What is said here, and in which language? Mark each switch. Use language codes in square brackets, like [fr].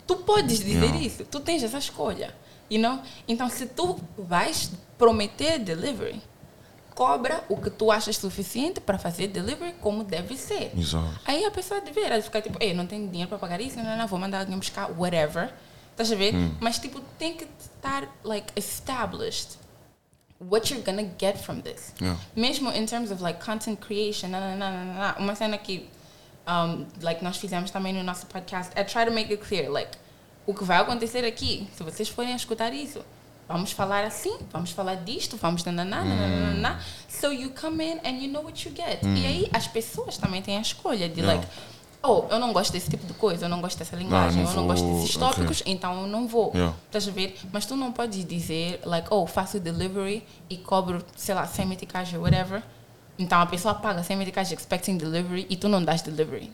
[pt] Tu podes dizer isso, tu tens essa escolha, [en] you know? [pt] Então, se tu vais prometer delivery, cobra o que tu achas suficiente para fazer delivery como deve ser. Exato. Aí a pessoa deveria ficar tipo, ei, não tenho dinheiro para pagar isso, não, vou mandar alguém buscar, whatever. Estás a ver? Mas tipo, tem que estar [en] like established what you're gonna get from this. Yeah. [pt] Mesmo [en] in terms of like content creation, [pt] uma cena que like, nós fizemos também no nosso podcast, é [en] try to make it clear, [pt] like, o que vai acontecer aqui, se vocês forem escutar isso, vamos falar assim, vamos falar disto, vamos na. [en] So you come in and you know what you get. [pt] E aí as pessoas também têm a escolha de like, oh, eu não gosto desse tipo de coisa, eu não gosto dessa linguagem, não, eu não gosto desses tópicos, então eu não vou. Estás a ver? Mas tu não podes dizer like, oh, faço delivery e cobro, sei lá, 100 meticais ou whatever. Então a pessoa paga 100 meticais [en] expecting [pt] delivery e tu não dás delivery.